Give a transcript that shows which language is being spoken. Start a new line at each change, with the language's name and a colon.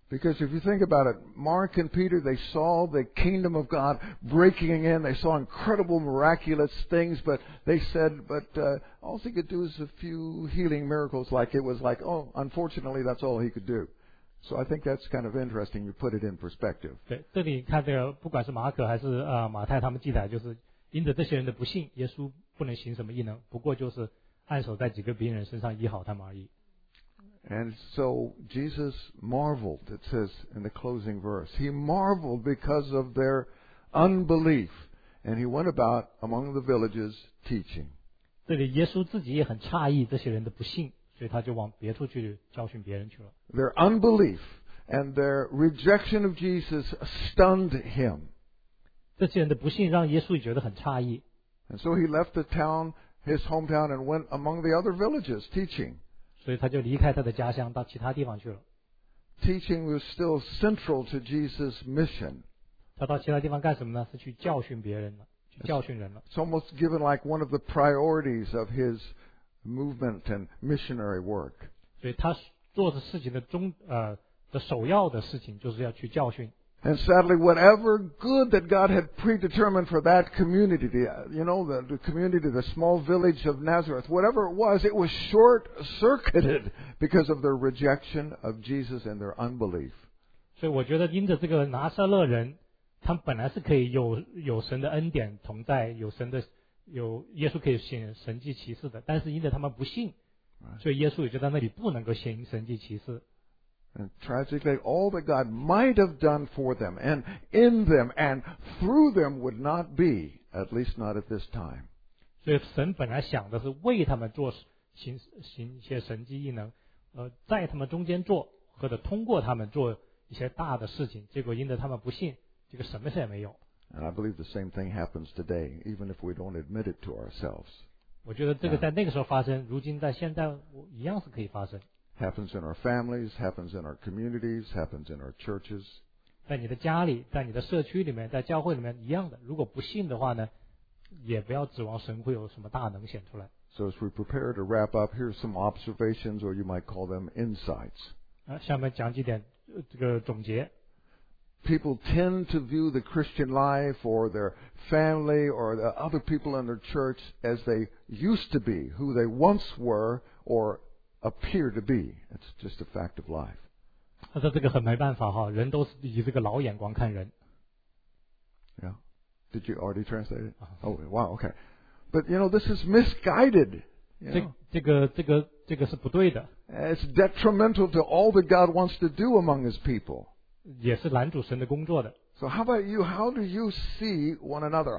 English: Because if you think about it, Mark and Peter, they saw the kingdom of God breaking in. They saw incredible, miraculous things. But they said, but all he could do is a few healing miracles. Like it was like, oh, unfortunately, that's all he could do. So I think that's kind of interesting. You put it in perspective.
Chinese: 对，这里看这个，不管是马可还是马太，他们记载就是因着这些人的不信，耶稣不能行什么异能，不过就是按手在几个病人身上医好他们而已。
English: And so Jesus marveled, it says in the closing verse. He marveled because of their unbelief. And he went about among the villages teaching.
Chinese: 这里耶稣自己也很诧异这些人的不信，所以他就往别处去教训别人去了。
English: Their unbelief and their rejection of Jesus stunned him.
Chinese: 这些人的不信让耶稣觉得很诧异。
English: And so he left the town, his hometown, and went among the other villages teaching.
Chinese: 所以他就离开他的家乡到其他地方去了。
English: Teaching was still central to Jesus' mission.
Chinese: 他到其他地方干什么呢？是去教训别人了，去教训人了。
English: It's almost given like one of the priorities of his movement and missionary work.
Chinese: 所以他做的事情的的首要的事情就是要去教训。
English: And sadly, whatever good that God had predetermined for that community, you know, the community, the small village of Nazareth, whatever it was short-circuited because of their rejection of Jesus and their unbelief.
Chinese: 所以我觉得因着这个拿撒勒人，他们本来是可以有神的恩典同在，有耶稣可以行神迹奇事的，但是因着他们不信，所以耶稣也就在那里不能够行神迹奇事。
English: And tragically, all that God might have done for them and in them and through them would not be, at least not at this time.
Chinese: 所以神本来想的是为他们做行一些神迹异能，在他们中间做或者通过他们做一些大的事情，结果因着他们不信，这个什么事也没有。
English: And I believe the same thing happens today, even if we don't admit it to ourselves.
Chinese: 我觉得这个在那个时候发生，如今在现在一样是可以发生。
English: Happens in our families, happens in our communities, happens in our churches.
Chinese: 在你的家里，在你的社区里面，在教会里面一样的。如果不信的话呢，也不要指望神会有什么大能显出来。
English: So as we prepare to wrap up, here's some observations, or you might call them insights.
Chinese: 下面讲几点这个总结。
English: People tend to view the Christian life or their family or the other people in their church as they used to be, who they once were, or appear to be. It's just a fact of life.
Chinese: 他说这个很没办法哈，人都是以这个老眼光看人。
English: Yeah. Did you already translate it? Oh, wow, okay. But you know, this is misguided. It's detrimental to all that God wants to do among His people. So how about you? How do you see one another?